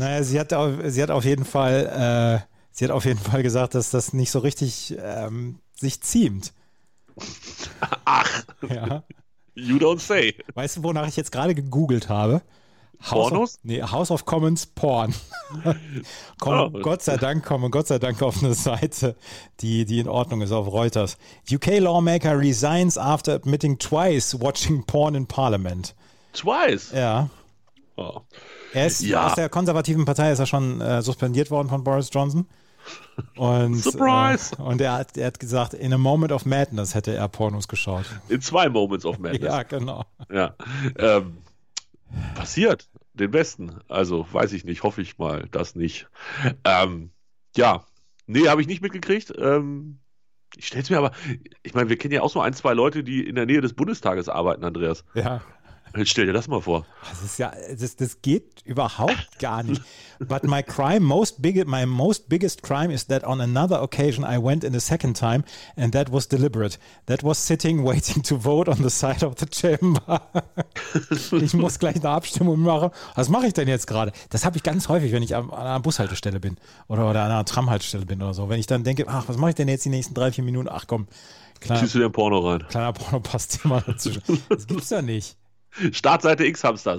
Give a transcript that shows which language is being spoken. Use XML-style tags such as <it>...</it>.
<de>Naja, sie hat auf jeden Fall gesagt, dass das nicht so richtig sich ziemt. Ach. Ja.</de> <en>You don't say.</en> <de>Weißt du, wonach ich jetzt gerade gegoogelt habe? Pornos?</de> <en>House of Commons Porn.</en> <de>Gott sei Dank, komme Gott sei Dank auf eine Seite, die in Ordnung ist, auf Reuters.</de> <en>UK lawmaker resigns after admitting twice watching porn in Parliament. Twice?</en> <de>Ja. Oh. Aus der konservativen Partei ist er schon suspendiert worden von Boris Johnson. Und,</de> <en>Surprise!</en> <de>Und er hat gesagt,</de> <en>in a moment of madness</en> <de>hätte er Pornos geschaut. In zwei</de> <en>moments of madness.</en> <de>Ja, genau. Ja. Passiert. Den Besten. Also, weiß ich nicht. Hoffe ich mal, das nicht. Habe ich nicht mitgekriegt. Ich stelle es mir aber, ich meine, wir kennen ja auch so ein, zwei Leute, die in der Nähe des Bundestages arbeiten, Andreas. Ja. Jetzt stell dir das mal vor. Das ist ja, das geht überhaupt gar nicht.</de> <en>But my most biggest crime is that on another occasion I went in a second time and that was deliberate. That was sitting waiting to vote on the side of the chamber.</en> <de>Ich muss gleich eine Abstimmung machen. Was mache ich denn jetzt gerade? Das habe ich ganz häufig, wenn ich an einer Bushaltestelle bin oder an einer Tramhaltestelle bin oder so. Wenn ich dann denke, ach, was mache ich denn jetzt die nächsten 3-4 Minuten? Ach komm, ziehst du dir ein Porno rein? Kleiner Porno passt immer dazu. Das gibt's ja nicht. Startseite X-Hamster.</de>